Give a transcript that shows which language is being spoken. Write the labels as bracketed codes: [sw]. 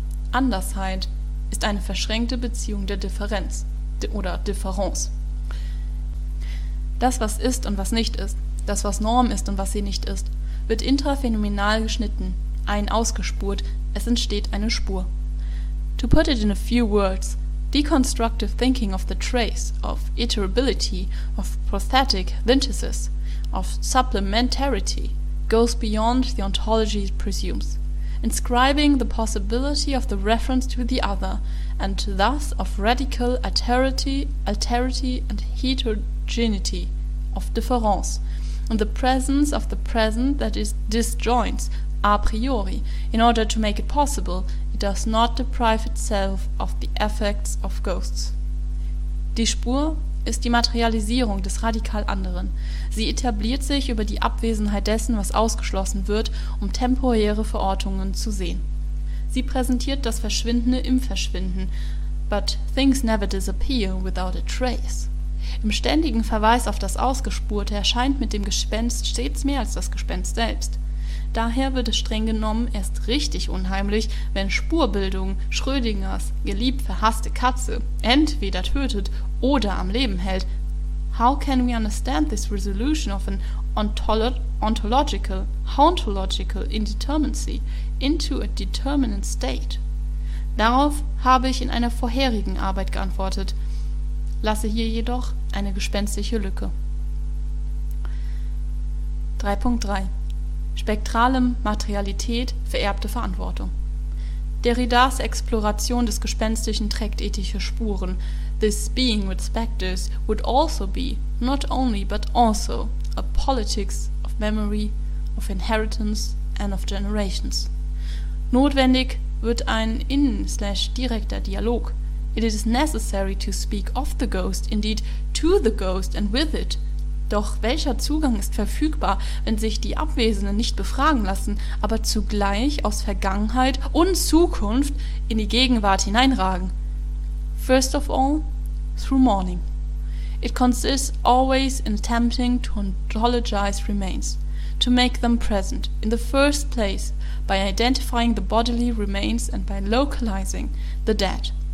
[de] Andersheit ist eine verschränkte Beziehung der Differenz oder Differenz. Das, was ist und was nicht ist, das, was Norm ist und was sie nicht ist, wird intraphänomenal geschnitten, ausgespurt, es entsteht eine Spur. [en] To put it in a few words, deconstructive thinking of the trace, of iterability, of prosthetic synthesis, of supplementarity, goes beyond the ontology it presumes, inscribing the possibility of the reference to the other, and thus of radical alterity and heterogeneity, of difference, and the presence of the present that is disjoint, a priori, in order to make it possible, it does not deprive itself of the effects of ghosts. [de] Die Spur ist die Materialisierung des radikal anderen. Sie etabliert sich über die Abwesenheit dessen, was ausgeschlossen wird, um temporäre Verortungen zu sehen. Sie präsentiert das Verschwindende im Verschwinden. [en] But things never disappear without a trace. [de] Im ständigen Verweis auf das Ausgespurte erscheint mit dem Gespenst stets mehr als das Gespenst selbst. Daher wird es streng genommen erst richtig unheimlich, wenn Spurbildung Schrödingers geliebt verhasste Katze entweder tötet oder am Leben hält. [en] How can we understand this resolution of an ontological indeterminacy into a determinant state? [de] Darauf habe ich in einer vorherigen Arbeit geantwortet, lasse hier jedoch eine gespenstliche Lücke. 3.3 Spektrale Materialität, vererbte Verantwortung. Derridas Exploration des Gespenstlichen trägt ethische Spuren. [en] This being with spectres would also be, not only but also, a politics of memory, of inheritance and of generations. [de] Notwendig wird ein innen/direkter Dialog. [en] It is necessary to speak of the ghost, indeed to the ghost and with it. [de] Doch welcher Zugang ist verfügbar, wenn sich die Abwesenden nicht befragen lassen, aber zugleich aus Vergangenheit und Zukunft in die Gegenwart hineinragen? [en] First of all, through mourning. It consists always in attempting to ontologize remains, to make them present, in the first place, by identifying the bodily remains and by localizing the dead.